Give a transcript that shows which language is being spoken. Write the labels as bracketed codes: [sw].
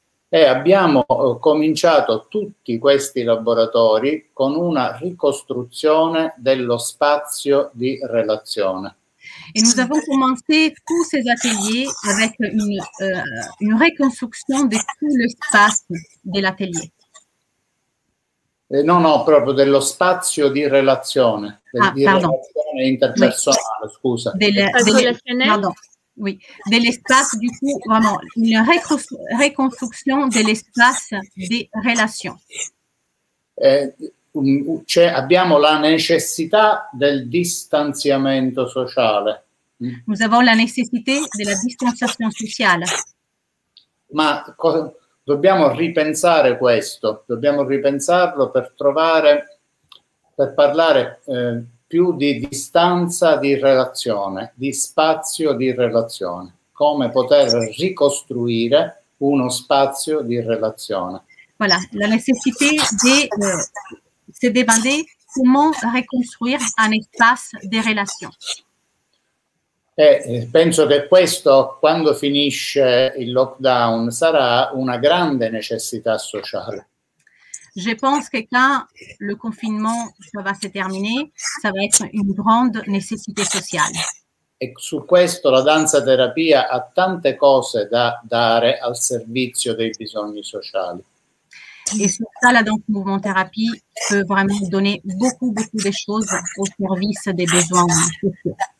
[fr] Et [it] abbiamo cominciato tutti questi laboratori con una ricostruzione dello spazio di relazione. [fr] Et nous avons commencé tous ces ateliers avec une reconstruction de tout l'espace de l'atelier. [it] Non, proprio dello spazio di relazione, di relazione interpersonale, [fr] oui. [it] Scusa. [fr] De l'espace, du coup, vraiment, une reconstruction de l'espace des relations. [it] Cioè, abbiamo la necessità del distanziamento sociale. [fr] Nous avons la nécessité de la distanciation sociale. [it] Ma dobbiamo ripensare questo, dobbiamo ripensarlo per trovare, per parlare più di distanza di relazione, di spazio di relazione, come poter ricostruire uno spazio di relazione. [fr] Voilà, la nécessité de se demander comment reconstruire un espace de relations. [it] Penso che questo, quando finisce il lockdown, sarà una grande necessità sociale. [fr] Je pense que quand le confinement va se terminer, ça va être une grande nécessité sociale. [it] E su questo la danza terapia ha tante cose da dare al servizio dei bisogni sociali. [fr] Et sur ça, la danse mouvement thérapie peut vraiment donner beaucoup, beaucoup de choses au service des besoins sociaux.